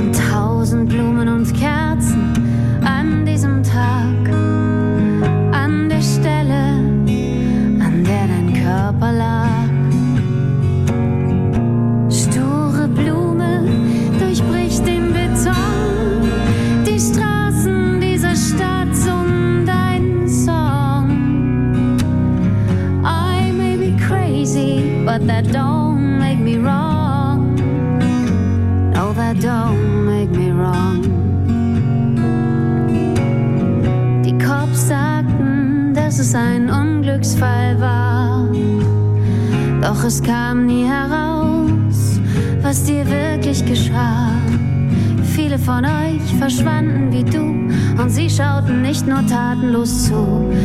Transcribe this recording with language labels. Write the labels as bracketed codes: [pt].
[de] Tausend Blumen und Kerzen an diesem Tag, an der Stelle, an der dein Körper lag. Sture Blume durchbricht den Beton, die Straßen dieser Stadt zum deinen Song. [en] I may be crying. but that don't make me wrong. No, that don't make me wrong. [de] Die Cops sagten, dass es ein Unglücksfall war. Doch es kam nie heraus, was dir wirklich geschah. Viele von euch verschwanden wie du und sie schauten nicht nur tatenlos zu.